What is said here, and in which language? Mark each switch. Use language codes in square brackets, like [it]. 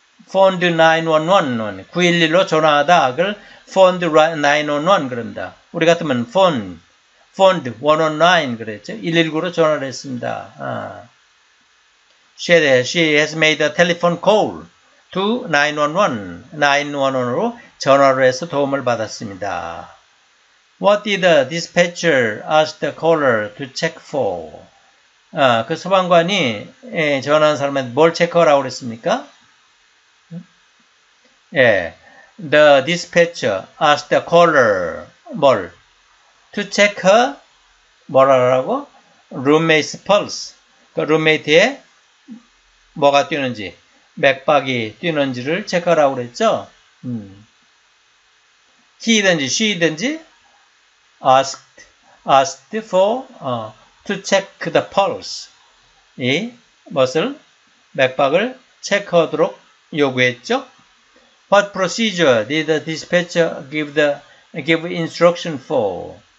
[ko] phoned 911 911로 전화하다 그걸 phoned 911 그럽니다. 우리 같으면 phoned 119 그랬죠? 119로 전화를 했습니다. [en] She has made a telephone call to 911. [ko] 911으로 전화를 해서 도움을 받았습니다. [en] What did the dispatcher ask the caller to check for? [ko] 그 소방관이 전화한 사람한테 뭘 체크하라고 그랬습니까? [en] 예. The dispatcher asked the caller 뭘? To check her [ko] 뭐라고? [en] Roommate's pulse. [ko] 그 룸메이트의 뭐가 뛰는지, 맥박이 뛰는지를 체크하라고 그랬죠. [en] He든지 she든지 asked for to check the pulse. [ko] 이 무엇을 맥박을 체크하도록 요구했죠. [en] What procedure did the dispatcher give instruction for?